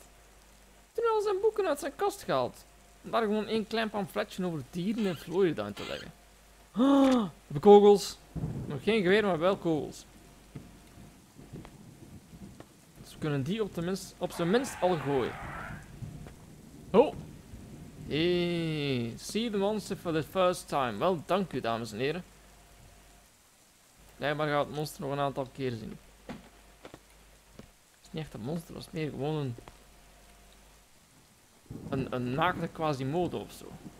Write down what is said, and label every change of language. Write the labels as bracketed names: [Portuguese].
[Dutch] Heeft hij nu al zijn boeken uit zijn kast gehaald? Om daar gewoon één klein pamfletje over dieren in Florida in te leggen. Ah, we kogels. Nog geen geweer, maar wel kogels. Dus we kunnen die op zijn minst al gooien. Oh! [English] Hey, see the monster for the first time. [Dutch] Wel, dank u, dames en heren. Blijkbaar gaat het monster nog een aantal keer zien. Het is niet echt een monster, het is meer gewoon een naakte quasimodo of zo.